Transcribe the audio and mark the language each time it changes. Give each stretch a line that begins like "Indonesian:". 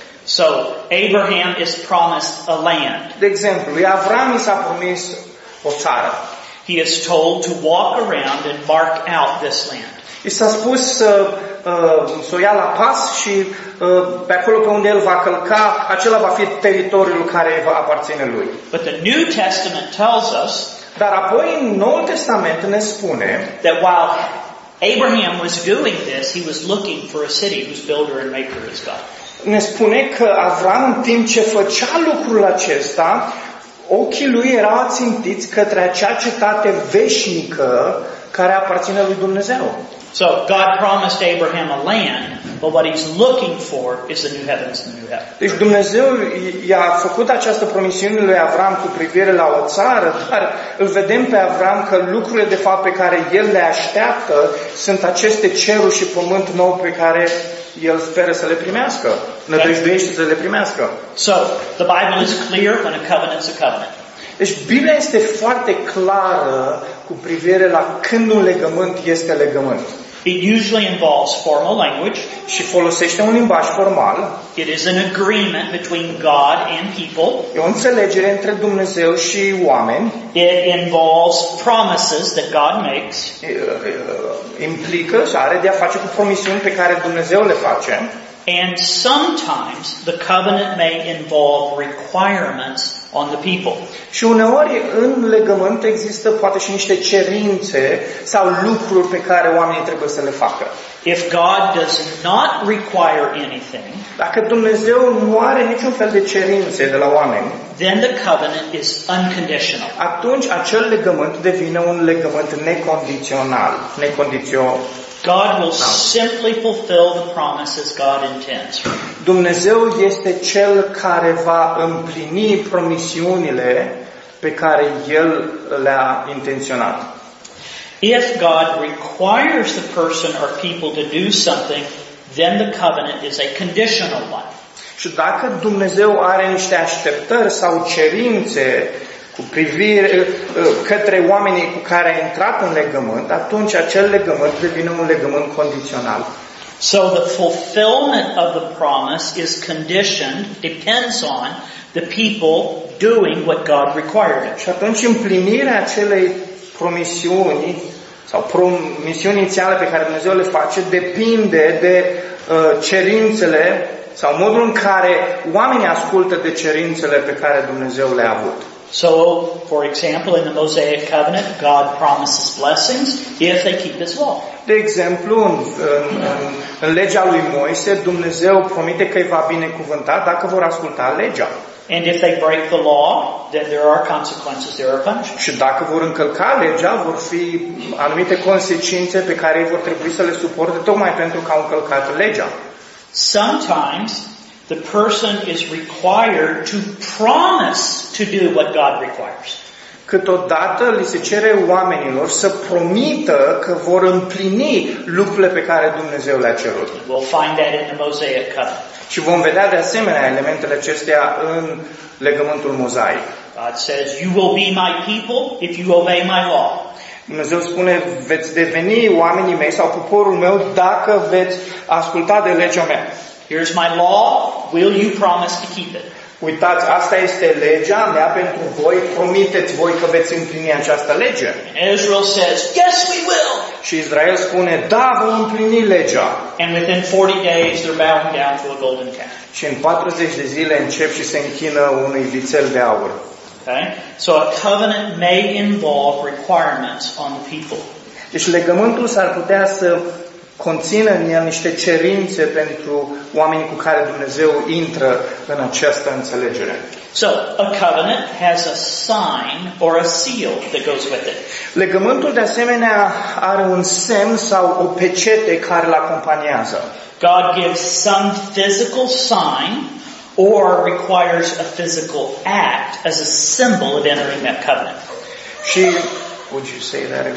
English: So Abraham is promised a land.
Romanian: De exemplu, Avram i s-a promis o țară.
English: He is told to walk around and mark out this land.
Romanian: I s-a spus să o ia la pas și pe acolo pe unde el va călca, acela va fi teritoriul care va aparține lui.
English: But the New Testament tells us.
Romanian: Dar apoi în Noul Testament ne spune
English: that while Abraham was doing this, he was looking for a city whose builder and maker is God.
Romanian: Ne spune că Avram, în timp ce făcea lucrul acesta, ochii lui erau țintiți către acea cetate veșnică care aparține lui Dumnezeu.
English: So God promised Abraham a land, But what he's looking for is the new heavens and the new earth.
Romanian: Deci Dumnezeu i-a făcut această promisiune lui Avram cu privire la o țară, dar îl vedem pe Avram că lucrurile de fapt pe care el le așteaptă sunt aceste ceruri și pământ nou pe care el speră să le primească, nădăjduiește să le primească.
English: So, the Bible is clear when a covenant's a covenant.
Romanian: Deci Biblia este foarte clară cu privire la când un legământ este legământ.
English: It usually involves formal language.
Romanian: Și folosește un limbaj formal.
English: It is an agreement between God and people.
Romanian: E o înțelegere între Dumnezeu și oameni.
English: It involves promises that God makes.
Romanian: Implică și are de-a face cu promisiuni pe care Dumnezeu le face.
English: And sometimes the covenant may involve requirements on the people.
Romanian: Și uneori în legământ există poate și niște cerințe sau lucruri pe care oamenii trebuie să le facă.
English: If God does not require anything,
Romanian: dacă Dumnezeu nu are niciun fel de cerințe de la oameni,
English: then the covenant is unconditional.
Romanian: Atunci acel legământ devine un legământ necondițional, necondiționat.
English: God will simply fulfill the promises God intends.
Romanian: Dumnezeu este cel care va împlini promisiunile pe care El le-a intenționat.
English: If God requires the person or people to do something, then the covenant is a conditional one.
Romanian: Și dacă Dumnezeu are niște așteptări sau cerințe cu privire către oamenii cu care a intrat în legământ, atunci acel legământ devine un legământ condițional.
English: So the fulfillment of the promise is conditioned, depends on the people doing what God required.
Romanian: Și atunci împlinirea acelei promisiuni sau promisiunii inițiale pe care Dumnezeu le face depinde de cerințele sau modul în care oamenii ascultă de cerințele pe care Dumnezeu le-a avut.
English: So, for example, in the Mosaic Covenant, God promises blessings if they keep His law.
Romanian: De exemplu, în legea lui Moise, Dumnezeu promite că îi va binecuvânta dacă vor asculta legea.
English: And if they break the law, then there are consequences, there are punishments.
Romanian: Și dacă vor încălca legea, vor fi anumite consecințe pe care ei vor trebui să le suporte tocmai pentru că au încălcat legea.
English: Sometimes the person is required to promise to do what God requires.
Romanian: Câteodată li se cere oamenilor să promită că vor împlini lucrurile pe care Dumnezeu le-a cerut.
English: We'll find that in the Mosaic Covenant.
Romanian: Și vom vedea de asemenea elementele acestea în legământul mozaic.
English: God says, "You will be my people if you obey my law."
Romanian: Dumnezeu spune, veți deveni oamenii mei sau poporul meu dacă veți asculta de legea mea.
English: Here's my law. Will you promise to keep it?
Romanian: Uitați, asta este legea mea pentru voi. Promiteți voi că veți împlini această lege.
English: Israel says, yes, we will.
Romanian: Și Israel spune, da, vom împlini legea.
English: And within 40 days, they're bowing down to a golden calf.
Romanian: Și în 40 de zile încep și se închină unui vițel de aur.
English: Okay? So a covenant may involve requirements on the people.
Romanian: Deci legământul s-ar putea să conține în el niște cerințe pentru oamenii cu care Dumnezeu intră în această înțelegere.
English: So, a covenant has a sign or a seal that goes with it.
Romanian: Legământul de asemenea are un semn sau o pecete care l-acompaniază.
English: God gives some physical sign or requires a physical act as a symbol of entering that covenant. Și would you say that again,